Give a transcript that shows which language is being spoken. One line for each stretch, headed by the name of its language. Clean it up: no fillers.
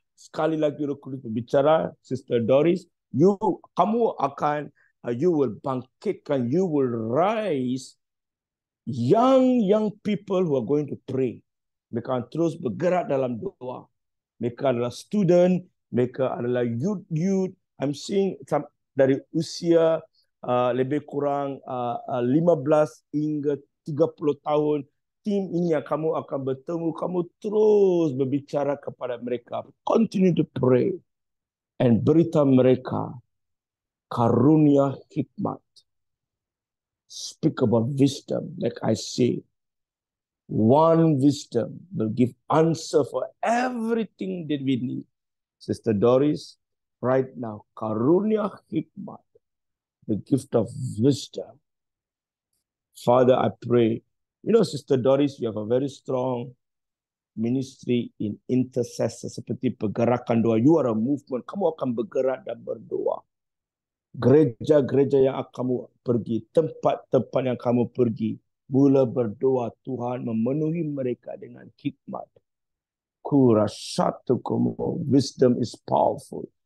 Malay: Sekali lagi Roh Kudus berbicara,
English: Sister Doris, you will
Malay: bangkitkan,
English: you will rise young people who are going to pray.
Malay: Mereka terus bergerak dalam doa. Mereka adalah student, mereka adalah youth.
English: I'm seeing some
Malay: dari usia lebih kurang 15 hingga 30 tahun, tim ini yang kamu akan bertemu, kamu terus berbicara kepada mereka.
English: Continue to pray and
Malay: beritahu mereka karunia hikmat.
English: Speak about wisdom, like I say. One wisdom will give answer for everything that we need. Sister Doris, right now,
Malay: karunia hikmat,
English: the gift of wisdom. Father, I pray, you know, Sister Doris, you have a very strong ministry in intercessor,
Malay: seperti pergerakan doa.
English: You are a movement.
Malay: Kamu akan bergerak dan berdoa. Gereja-gereja yang kamu pergi, tempat-tempat yang kamu pergi, mula berdoa, Tuhan memenuhi mereka dengan hikmat. Kurasatukumu,
English: wisdom is powerful.